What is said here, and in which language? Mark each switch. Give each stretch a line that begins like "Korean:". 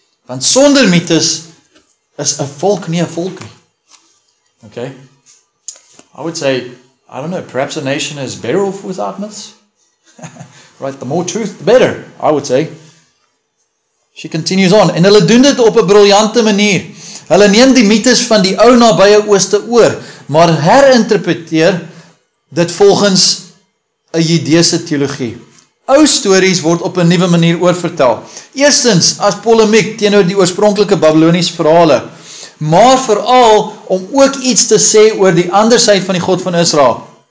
Afrikaans: Want sonder mythes is 'n volk nie 'n volk nie. Okay?
English: I would say, I don't know, perhaps a nation is better off without myths. Right, the more truth, the better, I would say. She continues on,
Afrikaans: en hulle doen dit op 'n briljante manier. Hulle neem die mythes van die ou nabye ooste oor, maar herinterpreteer dit volgens 'n Judeese teologie. Ou stories word op 'n nuwe manier oorvertel. Eerstens, as polemiek teenoor die oorspronklike Babyloniese verhale, maar vooral om ook iets te sê oor die ander sy van die God van Israel.